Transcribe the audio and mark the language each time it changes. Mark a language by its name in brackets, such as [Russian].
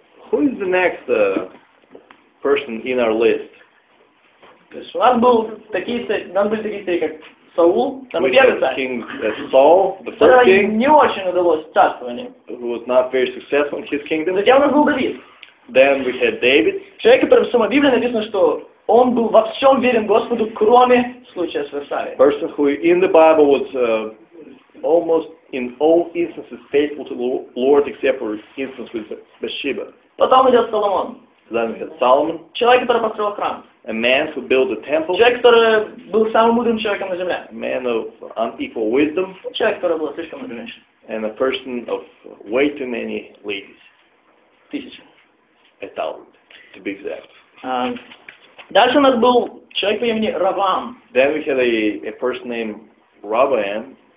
[English] Who is the next person in our list? [Russian] У нас был такие, как Саул, там первый царь. [English] King Saul, the first king. [Russian] Не очень удалось царствование. [English] Who was not very successful in his kingdom. [Russian] Затем у нас был Давид. [English] Then we had David. [Russian] Человек, который в самой Библии написано, что он был во всем верен Господу, кроме случая с Версавией. [English] Person who in the Bible was almost in all instances faithful to the Lord, except for instance with Bathsheba. [Russian] Потом идет Соломон. [English] Then we had Solomon. [Russian] Человек, который построил храм. [English] A man who built a temple. [Russian] Человек, который был самым мудрым человеком на земле. [English] A man of unequal wisdom. [Russian] Человек, который был слишком мудрым. [English] And a person of way too many ladies. [Russian] Тысяча. [English] A thousand, to be exact. [Russian] Дальше у нас был человек по имени Раваам. [English] Then we had a person named Раваам.